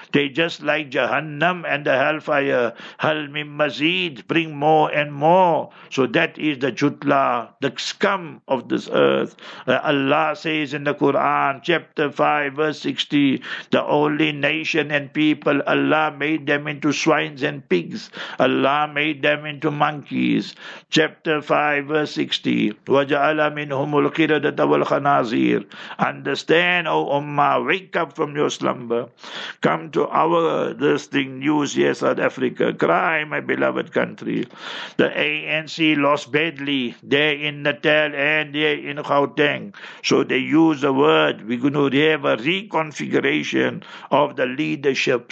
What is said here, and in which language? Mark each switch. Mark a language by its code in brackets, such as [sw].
[en] They just like Jahannam and the hellfire. [ar] Hal min mazid, [en] bring more and more. So that is the Jutla, the scum of this earth. Allah says in the Quran, chapter 5, verse 60, the only nation and people, Allah made them into swines and pigs. Allah made them into monkeys. Chapter 5, verse 60, [ar] وَجَعَلَ مِنْهُمُ الْقِرَدَةَ وَالْخَنَازِيرَ. [en] Understand, O Ummah, wake up from your slumber. Come to our this thing news here, South Africa. Cry, my beloved country. The ANC lost badly there in Natal and there in Gauteng. So they use the word, we're going to have a reconfiguration of the leadership.